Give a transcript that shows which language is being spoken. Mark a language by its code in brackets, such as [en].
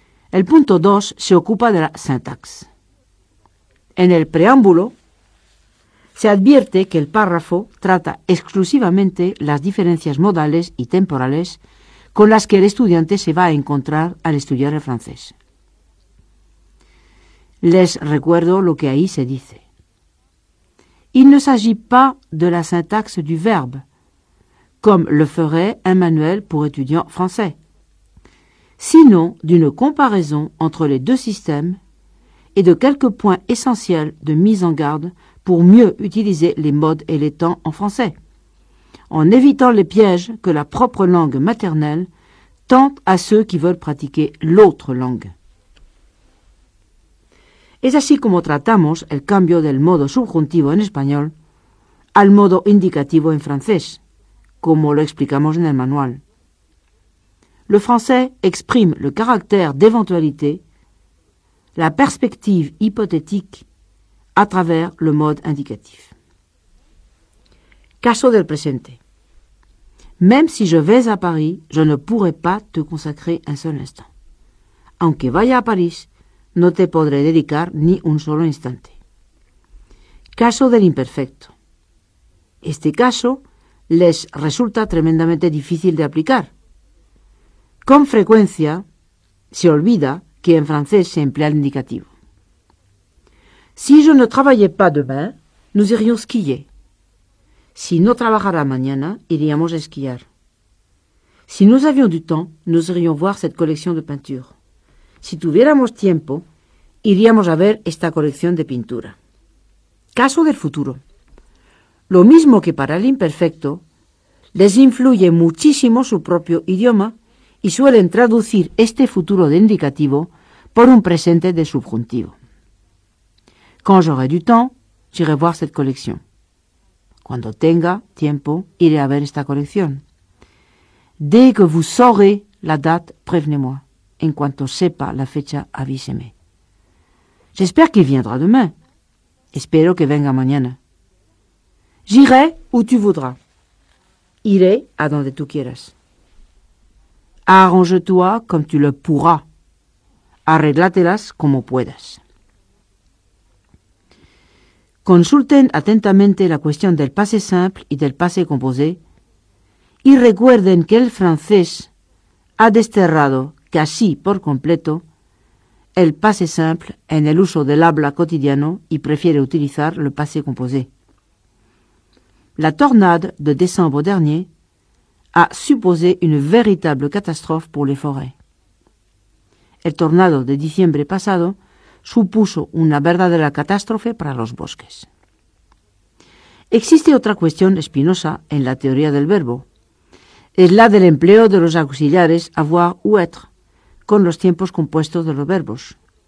[es] El punto 2 se ocupa de la sintaxis. En el preámbulo se advierte que el párrafo trata exclusivamente las diferencias modales y temporales con las que el estudiante se va a encontrar al estudiar el francés. Les recuerdo lo que ahí se dice. [fr] Il ne s'agit pas de la syntaxe du verbe, comme le ferait un manuel pour étudiants français, sinon d'une comparaison entre les deux systèmes et de quelques points essentiels de mise en garde pour mieux utiliser les modes et les temps en français, en évitant les pièges que la propre langue maternelle tente à ceux qui veulent pratiquer l'autre langue. [es] Es así como tratamos el cambio del modo subjuntivo en español al modo indicativo en francés, como lo explicamos en el manual. [fr] Le français exprime le caractère d'éventualité, la perspective hypothétique, à travers le mode indicatif. [es] Caso del presente. [fr] Même si je vais à Paris, je ne pourrai pas te consacrer un seul instant. [es] Aunque vaya a París, no te podré dedicar ni un solo instante. Caso del imperfecto. Este caso les resulta tremendamente difícil de aplicar. Con frecuencia se olvida que en francés se emplea el indicativo. [fr] Si je ne travaillais pas demain, nous irions skier. [es] Si no trabajara mañana, iríamos a esquiar. [fr] Si nous avions du temps, nous irions voir cette collection de peinture. [es] Si tuviéramos tiempo, iríamos a ver esta colección de pintura. Caso del futuro. Lo mismo que para el imperfecto, les influye muchísimo su propio idioma y suelen traducir este futuro de indicativo por un presente de subjuntivo. [fr] Quand j'aurai du temps, j'irai voir cette collection. [es] Cuando tenga tiempo, iré a ver esta colección. [fr] Dès que vous saurez la date, prévenez-moi. [es] En cuanto sepa la fecha, avíseme. [fr] J'espère qu'il viendra demain. [es] Espero que venga mañana. [fr] J'irai où tu voudras. [es] Irai a donde tú quieras. [fr] Arrange-toi comme tu le pourras. [es] Arréglatelas como puedas. Consulten atentamente la cuestión del passé simple y del passé composé y recuerden que el francés ha desterrado casi por completo el passé simple en el uso del habla cotidiano y prefiere utilizar le passé composé. [fr] La tornade de décembre dernier a supposé une véritable catastrophe pour les forêts. [es] El tornado de diciembre pasado supuso una verdadera catástrofe para los bosques. Existe otra cuestión espinosa en la teoría del verbo. Es la del empleo de los auxiliares avoir ou être con los tiempos compuestos de los verbos.